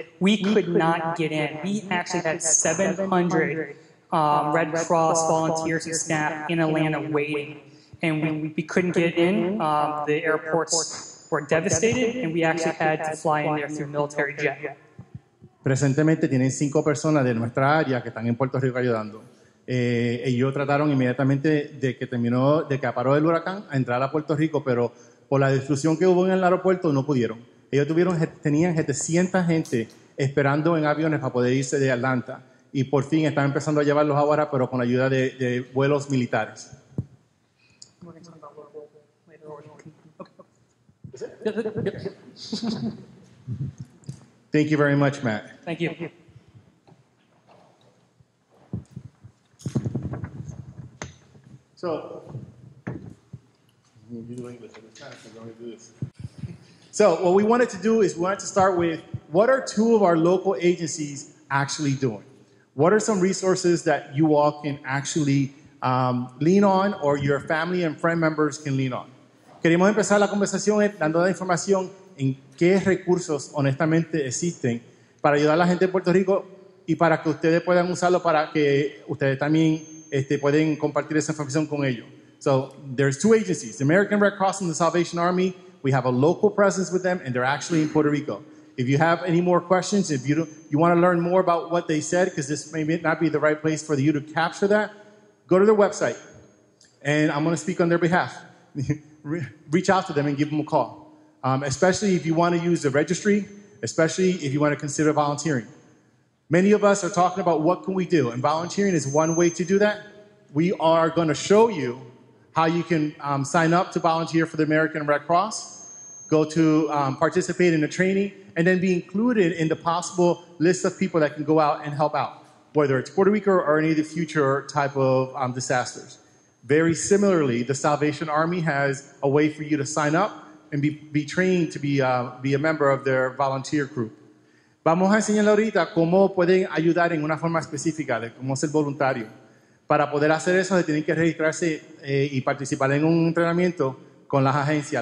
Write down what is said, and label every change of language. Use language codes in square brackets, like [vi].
[en] At the start, when we were trying to deploy people after the hurricane hit, we could not get in. We actually had 700 Red Cross volunteers and staff in Atlanta waiting, and we couldn't get in. The airports were devastated, and we actually had to fly in there through military jet. [es] Presentemente tienen 5 personas de nuestra área que están en Puerto Rico ayudando. Ellos trataron inmediatamente de que paró el huracán a entrar a Puerto Rico, pero por la destrucción que hubo en el aeropuerto no pudieron. Ellos tenían 700 gente esperando en aviones para poder irse de Atlanta y por fin están empezando a llevarlos ahora, pero con la ayuda de vuelos militares. [en] Thank you very much, Matt. Thank you. So what we wanted to do is we wanted to start with what are 2 of our local agencies actually doing? What are some resources that you all can actually lean on or your family and friend members can lean on? [es] Queremos empezar la conversación dando la información en qué recursos honestamente existen para ayudar a la gente de Puerto Rico y para que ustedes puedan usarlo para que ustedes también pueden compartir esa información con ellos. [en] So there's 2 agencies, the American Red Cross and the Salvation Army. We have a local presence with them and they're actually in Puerto Rico. If you have any more questions, if you want to learn more about what they said, because this may not be the right place for you to capture that, go to their website and I'm going to speak on their behalf. Reach out to them and give them a call, especially if you want to use the registry, especially if you want to consider volunteering. Many of us are talking about what can we do, and volunteering is one way to do that. We are going to show you how you can sign up to volunteer for the American Red Cross, go to participate in a training, and then be included in the possible list of people that can go out and help out, whether it's Puerto Rico or any of the future type of disasters. Very similarly, the Salvation Army has a way for you to sign up and be trained to be a member of their volunteer group. [es] Vamos a enseñar ahorita cómo pueden ayudar en una forma específica, de cómo ser voluntario. Para poder hacer eso, se tienen que registrarse y participar en un entrenamiento con las agencias.